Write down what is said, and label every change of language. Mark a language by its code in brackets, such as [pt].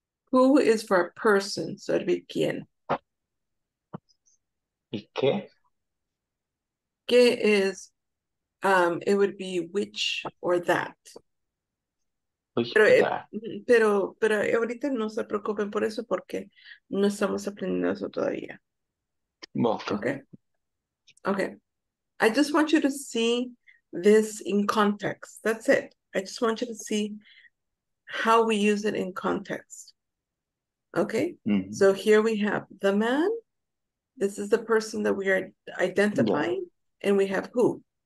[en] Who is for a person, so it'd be quién. [es] ¿Y qué? [en] ¿Qué is, it would be which or that. [es] Pero ahorita no se preocupen por eso porque no estamos aprendiendo eso todavía. [en] Okay. I just want you to see this in context. That's it. I just want you to see how we use it in context. Okay? Mm-hmm. So here we have the man. This is the person that we are identifying. Yeah. And we have who.